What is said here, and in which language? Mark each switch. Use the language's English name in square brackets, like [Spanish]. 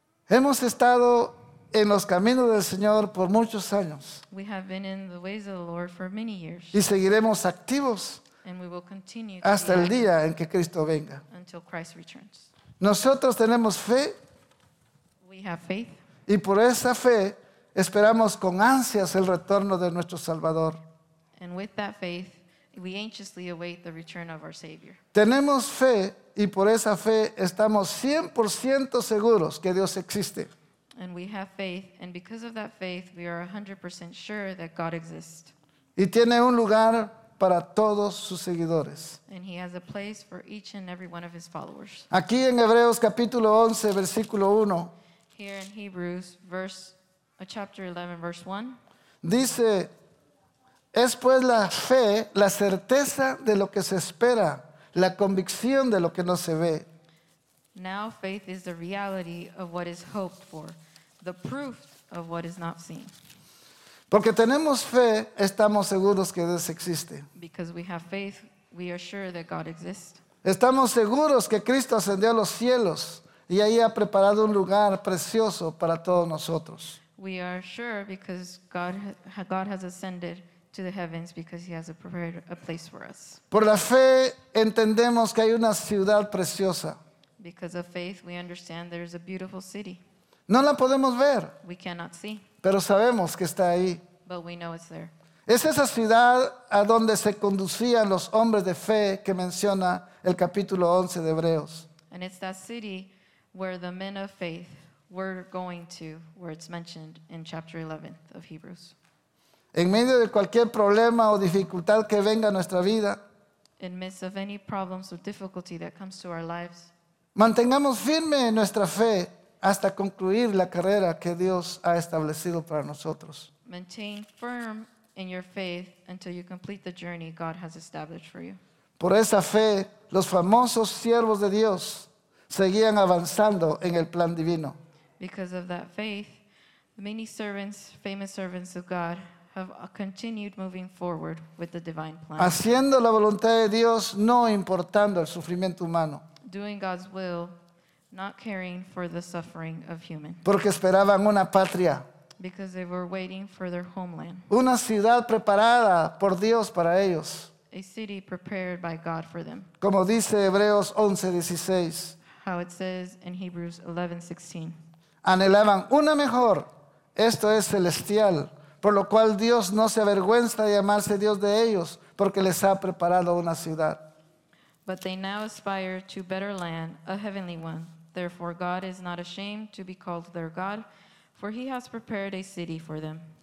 [Spanish] Hemos estado en los caminos del Señor por muchos años. [English] We have been in the ways of the Lord for many years. [Spanish] Y seguiremos activos hasta el día en que Cristo venga. [English] Until Christ returns. [Spanish] Nosotros tenemos fe. [English] We have faith. [Spanish] Y por esa fe esperamos con ansias el retorno de nuestro Salvador. [English] And with that faith, we anxiously await the return of our Savior. [Spanish] Tenemos fe y por esa fe estamos 100% seguros que Dios existe. [English] And we have faith, and because of that faith, we are 100% sure that God exists. [Spanish] Y tiene un lugar para todos sus seguidores. [English] And he has a place for each and every one of his followers. [Spanish] Aquí en Hebreos capítulo 11, versículo 1. [English] Here in Hebrews, chapter 11, verse 1. [Spanish] Dice, es pues la fe, la certeza de lo que se espera, la convicción de lo que no se ve. [English] Now faith is the reality of what is hoped for, the proof of what is not seen. [Spanish] Porque tenemos fe, estamos seguros que Dios existe. [English] Because we have faith, we are sure that God exists. [Spanish] Estamos seguros que Cristo ascendió a los cielos y ahí ha preparado un lugar precioso para todos nosotros. [English] We are sure because God has ascended to the heavens because he has prepared a place for us. [Spanish] Por la fe entendemos que hay una ciudad preciosa. [English] Because of faith, we understand there is a beautiful city. [Spanish] No la podemos ver. [English] We cannot see. [Spanish] Pero sabemos que está ahí. [English] But we know it's there. [Spanish] Es esa ciudad a donde se conducían los hombres de fe que menciona el capítulo 11 de Hebreos. [English] And it's that city where the men of faith were going to, where it's mentioned in chapter 11 of Hebrews. [Spanish] En medio de cualquier problema o dificultad que venga a nuestra vida, [English] In midst of any problems or difficulty that comes to our lives. [Spanish] Mantengamos firme en nuestra fe hasta concluir la carrera que Dios ha establecido para nosotros. [English] Maintain firm in your faith until you complete the journey God has established for you. [Spanish] Por esa fe, los famosos siervos de Dios seguían avanzando en el plan divino. [English] Because of that faith, many servants, famous servants of God, have continued moving forward with the divine plan. [Spanish] Haciendo la voluntad de Dios, no importando el sufrimiento humano. [English] Doing God's will, not caring for the suffering of humans. [Spanish] Porque esperaban una patria. [English] Because they were waiting for their homeland. [Spanish] Una ciudad preparada por Dios para ellos. [English] A city prepared by God for them. [Spanish] Como dice Hebreos 11:16. [English] How it says in Hebrews 11:16. [Spanish] Anhelaban una mejor, esto es celestial, por lo cual Dios no se avergüenza de llamarse Dios de ellos, porque les ha preparado una ciudad. [English] But they now aspire to better land, a heavenly one. Therefore God is not ashamed to be called their God, for he has prepared a city for them.